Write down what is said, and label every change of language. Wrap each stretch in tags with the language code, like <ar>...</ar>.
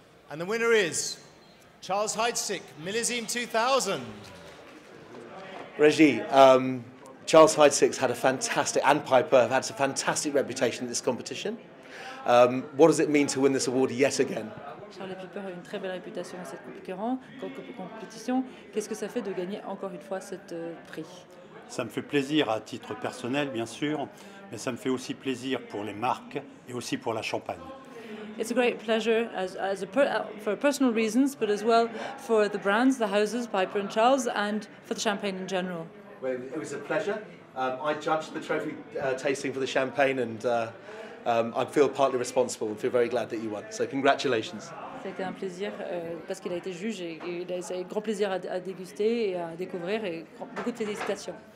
<en>And the winner is Charles Heidsieck Millésime 2000. Reggie, Charles Heidsieck's had a fantastic, and Piper have had a fantastic reputation in this competition. What does it mean to win this award yet again?</en> <fr>Charles Piper a une très belle réputation dans cette compétition. Qu'est-ce que ça fait de gagner encore une fois cette prix? Ça me fait plaisir à titre personnel, bien sûr, mais ça me fait aussi plaisir pour les marques et aussi pour la Champagne.</fr> <en>It's a great pleasure for personal reasons, but as well for the brands, the houses, Piper and Charles, and for the Champagne in general. Well, it was a pleasure. I judged the trophy tasting for the Champagne, and I feel partly responsible and feel very glad that you won. So congratulations.</en> <fr>C'était un plaisir parce qu'il a été juge et c'est un grand plaisir à déguster et à découvrir et beaucoup de félicitations.</fr>